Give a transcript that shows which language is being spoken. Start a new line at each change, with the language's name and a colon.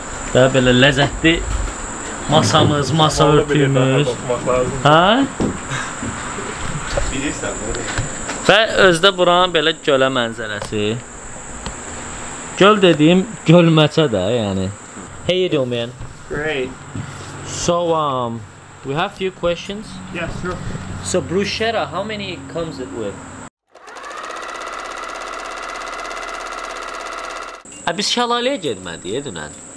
Azerbaijani: Və belə ləzzətli masamız, masa örtüyümüz. Hə? Və özdə buranın belə gölə mənzərəsi. Göl dediyim gölməçə də, yəni.
English: How you doing, man? Great. So, we have few questions. Yes, sure. So bruschetta, how many comes it with?
Azerbaijani: Biz şəlaləyə getmədik dünən.